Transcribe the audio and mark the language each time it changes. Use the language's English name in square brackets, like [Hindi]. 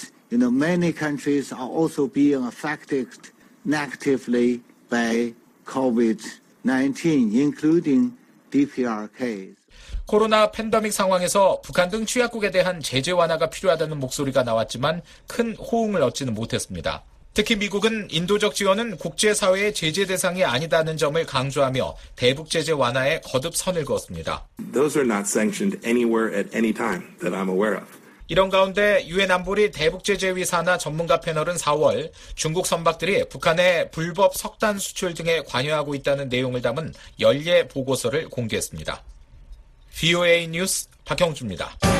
[English] Many countries are also being affected negatively by COVID-19, including DPRK. [Korean] 코로나 팬데믹 상황에서 북한 등 취약국에 대한 제재 완화가 필요하다는 목소리가 나왔지만 큰 호응을 얻지는 못했습니다. 특히 미국은 인도적 지원은 국제사회의 제재 대상이 아니다는 점을 강조하며 대북 제재 완화에 거듭 선을 그었습니다. [English] Those are not sanctioned anywhere at any time that I'm aware of. [Korean] 이런 가운데 유엔 안보리 대북 제재 위사나 전문가 패널은 4월 중국 선박들이 북한의 불법 석탄 수출 등에 관여하고 있다는 내용을 담은 연례 보고서를 공개했습니다. VOA 뉴스 박형주입니다.